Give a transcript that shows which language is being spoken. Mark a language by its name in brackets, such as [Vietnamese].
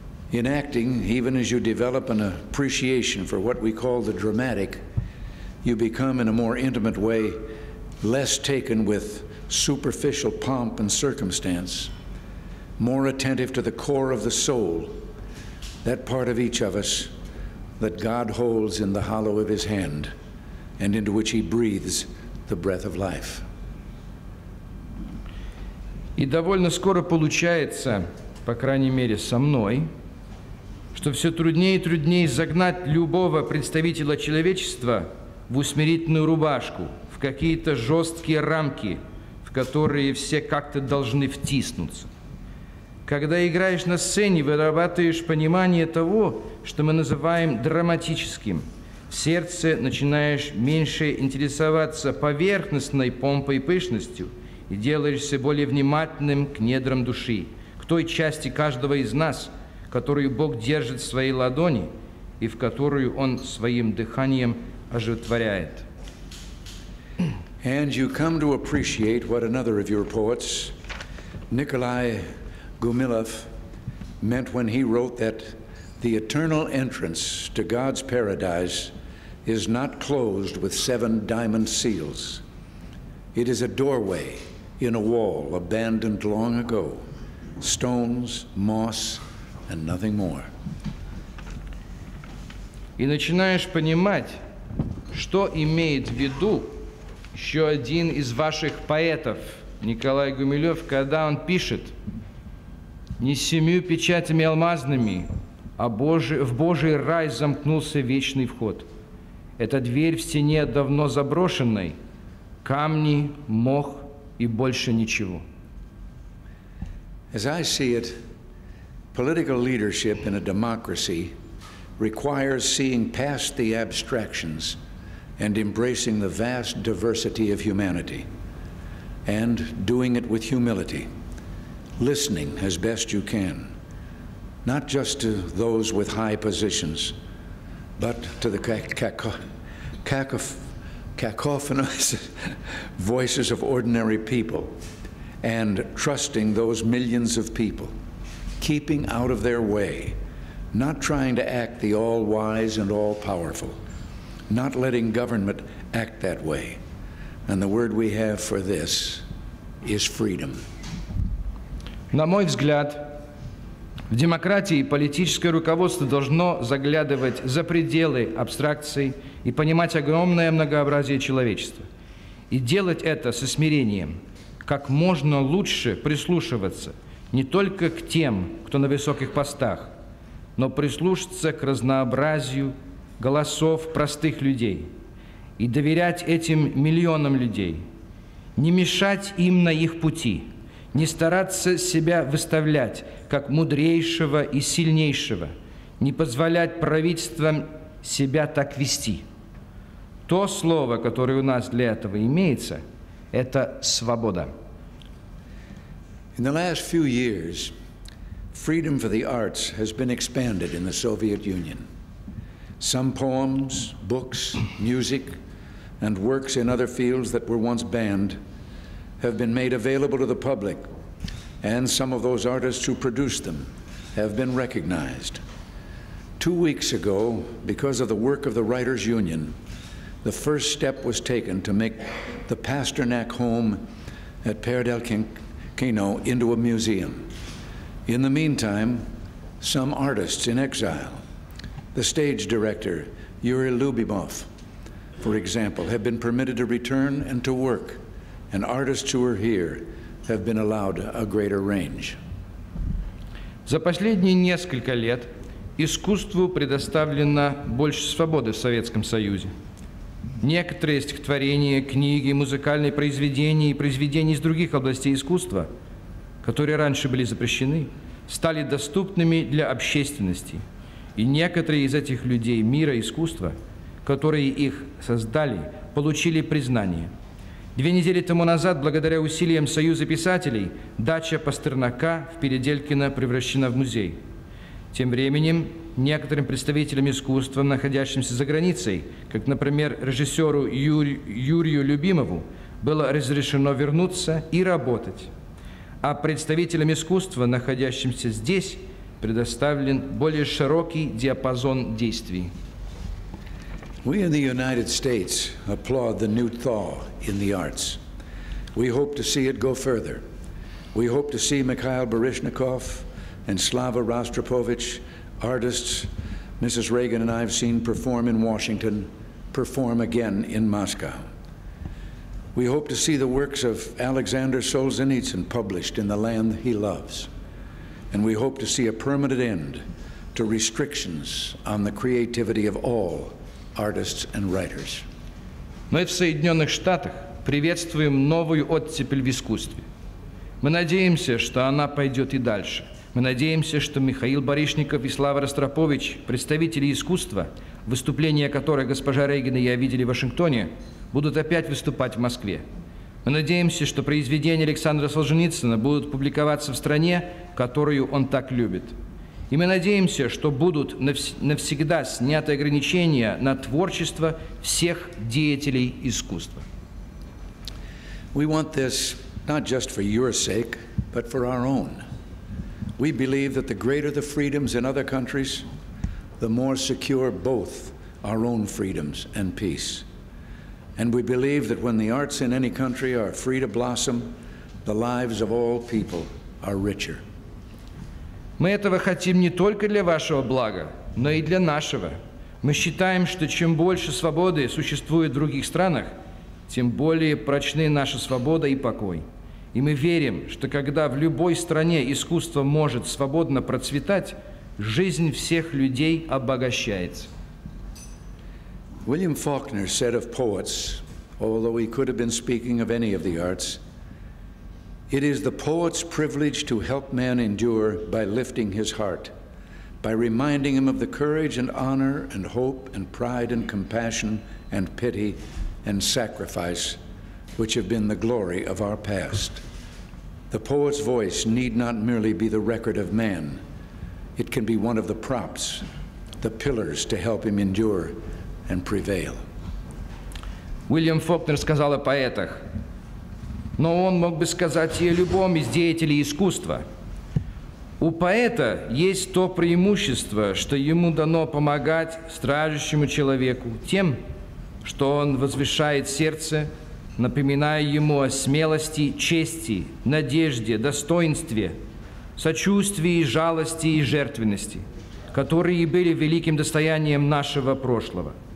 [English] In acting, even as you develop an appreciation for what we call the dramatic, you become in a more intimate way less taken with superficial pomp and circumstance, more attentive to the core of the soul, that part of each of us that God holds in the hollow of his hand and into which he breathes the breath of life. [Russian] И довольно скоро получается, по крайней мере, со мной, что все труднее и труднее загнать любого представителя человечества в усмирительную рубашку, в какие-то жесткие рамки, в которые все как-то должны втиснуться. Когда играешь на сцене, вырабатываешь понимание того, что мы называем драматическим. В сердце начинаешь меньше интересоваться поверхностной помпой и пышностью и делаешься более внимательным к недрам души, к той части каждого из нас, которую Бог держит в своей ладони и в которую Он своим дыханием оживотворяет. [English] And you come to appreciate what another of your poets, Nikolai Gumilev, meant when he wrote that the eternal entrance to God's paradise is not closed with seven diamond seals. It is a doorway in a wall abandoned long ago, stones, moss, and nothing more. [Russian] И начинаешь понимать, что имеет в виду еще один из ваших поэтов, Николай Гумилев, когда он пишет: не семью печатями алмазными, а в Божий рай замкнулся вечный вход. Это дверь в стене давно заброшенной, камни, мох и больше ничего. [English] As I see it, political leadership in a democracy requires seeing past the abstractions and embracing the vast diversity of humanity, and doing it with humility, listening as best you can, not just to those with high positions, but to the cacophonous voices of ordinary people, and trusting those millions of people, keeping out of their way, not trying to act the all-wise and all-powerful, not letting government act that way. And the word we have for this is freedom. [Russian] На мой взгляд, в демократии политическое руководство должно заглядывать за пределы абстракций и понимать огромное многообразие человечества. И делать это со смирением, как можно лучше прислушиваться не только к тем, кто на высоких постах, но прислушаться к разнообразию голосов простых людей и доверять этим миллионам людей, не мешать им на их пути, не стараться себя выставлять как мудрейшего и сильнейшего, не позволять правительствам себя так вести. То слово, которое у нас для этого имеется, это свобода. [English] In the last few years, freedom for the arts has been expanded in the Soviet Union. Some poems, books, music, and works in other fields that were once banned have been made available to the public, and some of those artists who produced them have been recognized. 2 weeks ago, because of the work of the Writers' Union, the first step was taken to make the Pasternak home at Perdelkino into a museum. In the meantime, some artists in exile, the stage director Yuri Lyubimov, for example, have been permitted to return and to work. And artists who are here have been allowed a greater range. [Russian] За последние несколько лет искусству предоставлено больше свободы в Советском Союзе. Некоторые стихотворения, книги, музыкальные произведения и произведения из других областей искусства, которые раньше были запрещены, стали доступными для общественности. И некоторые из этих людей мира искусства, которые их создали, получили признание. Две недели тому назад, благодаря усилиям Союза писателей, дача Пастернака в Переделкино превращена в музей. Тем временем, некоторым представителям искусства, находящимся за границей, как, например, режиссеру Юрию Любимову, было разрешено вернуться и работать. А представителям искусства, находящимся здесь, предоставлен более широкий диапазон действий. [English] We in the United States applaud the new thaw in the arts. We hope to see it go further. We hope to see Mikhail Baryshnikov and Slava Rostropovich, artists Mrs. Reagan and I have seen perform in Washington, perform again in Moscow. We hope to see the works of Alexander Solzhenitsyn published in the land he loves. And we hope to see a permanent end to restrictions on the creativity of all artists and writers. [Russian] Мы в Соединенных Штатах приветствуем новую оттепель в искусстве. Мы надеемся, что она пойдет и дальше. Мы надеемся, что Михаил Барышников и Слава Ростропович, представители искусства, выступления которых госпожа Регина и я видели в Вашингтоне, будут опять выступать в Москве. Мы надеемся, что произведения Александра Солженицына будут публиковаться в стране, которую он так любит. И мы надеемся, что будут навсегда сняты ограничения на творчество всех деятелей искусства. [English] We want this not just for your sake, but for our own. We believe that the greater the freedoms in other countries, the more secure both our own freedoms and peace. And we believe that when the arts in any country are free to blossom, the lives of all people are richer. [Russian] Мы этого хотим не только для вашего блага, но и для нашего. Мы считаем, что чем больше свободы существует в других странах, тем более прочны наша свобода и покой. И мы верим, что когда в любой стране искусство может свободно процветать, жизнь всех людей обогащается. [English] William Faulkner said of poets, although he could have been speaking of any of the arts, it is the poet's privilege to help man endure by lifting his heart, by reminding him of the courage and honor and hope and pride and compassion and pity and sacrifice which have been the glory of our past. The poet's voice need not merely be the record of man. It can be one of the props, the pillars to help him endure and prevail. [Russian] William Faulkner сказал о поэтах. Но он мог бы сказать и о любом из деятелей искусства. У поэта есть то преимущество, что ему дано помогать страждущему человеку тем, что он возвышает сердце, напоминая ему о смелости, чести, надежде, достоинстве, сочувствии, жалости и жертвенности, которые были великим достоянием нашего прошлого.